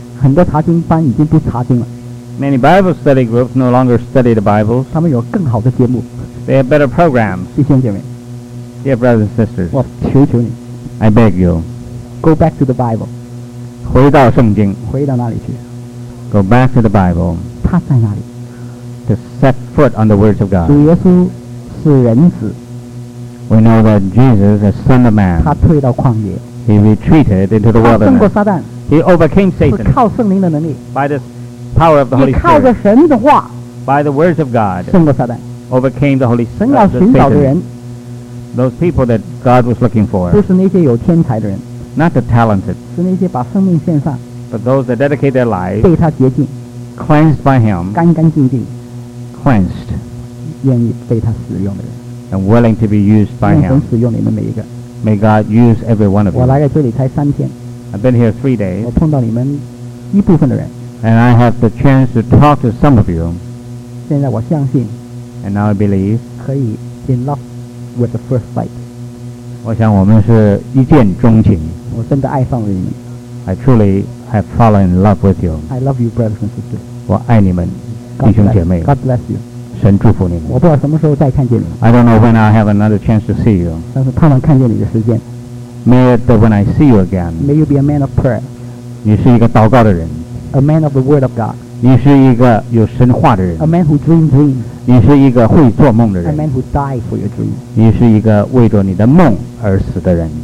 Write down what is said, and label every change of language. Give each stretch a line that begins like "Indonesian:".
Chinese: 很多查经班已经不查经了。
English: Many Bible study groups no longer study the Bibles.
Chinese: 他们有更好的节目。
English: They have better programs.
Chinese: 弟兄姐妹,
English: dear brothers and sisters,
Chinese: 我求求你,
English: I beg you, go back to the Bible.
Chinese: 回到圣经。回到哪里去?
English: Go back to the Bible.
Chinese: 他在哪里?
English: To set foot on the words of God.
Chinese: 主耶稣是人子。
English: We know that Jesus is Son of Man.
Chinese: 他退到旷野。
English: He retreated into the wilderness.
Chinese: 他胜过撒旦。
English: He overcame Satan.
Chinese: 是靠圣灵的能力。
English: By the power of the Holy Spirit.
Chinese: 也靠着神的话。
English: By the words of God.
Chinese: 胜过撒旦。
English: Overcame the Holy Spirit.
Chinese: 神要寻找的人。
English: Those people that God was looking for.
Chinese: 不是那些有天才的人。
English: Not the talented.
Chinese: 是那些把生命献上。
English: But those that dedicate their lives.
Chinese: 被他洁净。
English: Cleansed by Him.
Chinese: 干干净净。
English: Cleansed,
Chinese: 愿意被他使用的人,
English: and willing to be used by him.
Chinese: 愿神使用你们每一个,
English: may God use every one of you.
Chinese: 我来这里才三天,
English: I've been here 3 days.
Chinese: 我碰到你们一部分的人,
English: and I have the chance to talk to some of you.
Chinese: 现在我相信,
English: and now I believe,
Chinese: 可以
English: in love with the first sight.
Chinese: 我想我们是一见钟情, 我真的爱上了你,
English: I truly have fallen in love with you. I love you, brothers and sisters.
Chinese: 我爱你们弟兄姐妹
English: God bless you
Chinese: 神祝福你们我不知道什么时候再看见你
English: I don't know when I have another chance to see you
Chinese: 但是盼望看见你的时间
English: May it when I see you again May you be a man of prayer
Chinese: 你是一个祷告的人
English: A man of the word of God
Chinese: 你是一个有神话的人
English: A man who dreams dreams
Chinese: 你是一个会做梦的人
English: A man who died for your dreams
Chinese: 你是一个为着你的梦而死的人